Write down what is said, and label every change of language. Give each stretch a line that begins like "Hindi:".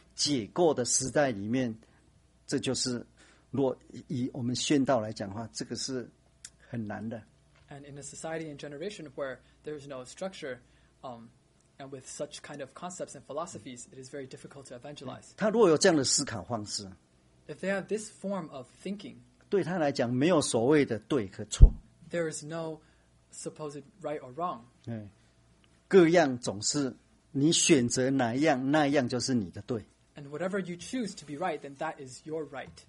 Chinese: 所以在这样一个思考的一个模式里面，多元的解构的时代里面。这就是，若以我们宣道来讲的话，这个是很难的。
English: And in a society and generation where there is no structure, and with such kind of concepts and philosophies, it is very difficult to evangelize.
Chinese: 他若有这样的思考方式，
English: if they have this form of thinking,
Chinese: 对他来讲没有所谓的对和错。
English: There is no supposed right or wrong.
Chinese: 各样总是你选择哪样，那样就是你的对。
English: And whatever you choose to be right, then that is your right.